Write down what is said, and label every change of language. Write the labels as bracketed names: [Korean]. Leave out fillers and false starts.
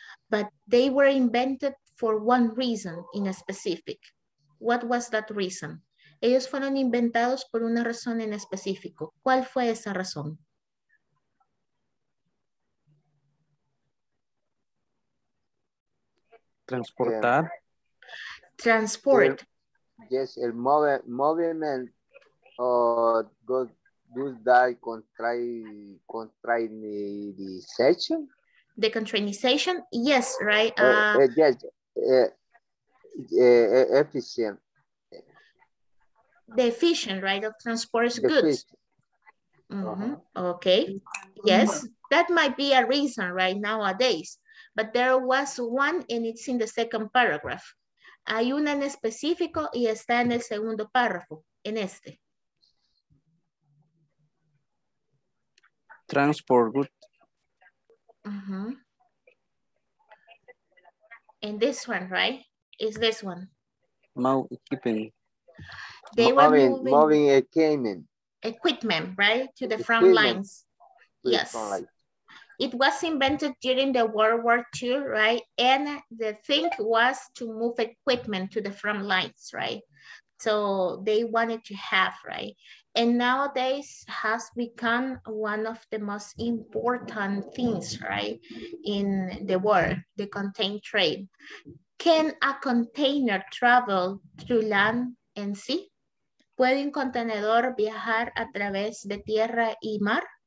[English] But they were invented for one reason in a specific. What was that reason? [Spanish] Ellos fueron inventados por una razón en específico. ¿Cuál fue esa razón? Transportar. [English] Transport. Yes, el movement of goods that contrary the section. The containerization, yes, right? Efficient. The efficient, right, of transport goods. Okay, yes, that might be a reason, right, nowadays. But there was one, and it's in the second paragraph. [Spanish] Hay una en específico y está en el segundo párrafo, en este. [English] Transport goods. And this one, right? Is this one? Moving. They were moving equipment. Equipment, right? To the front equipment. Lines. To yes. It was invented during the World War II, right? And the thing was to move equipment to the front lines, right? So they wanted to have, right? And nowadays has become one of the most important things, right, in the world, the container trade. Can a container travel through land and sea? [Spanish] ¿Puede un contenedor viajar a través de tierra y mar?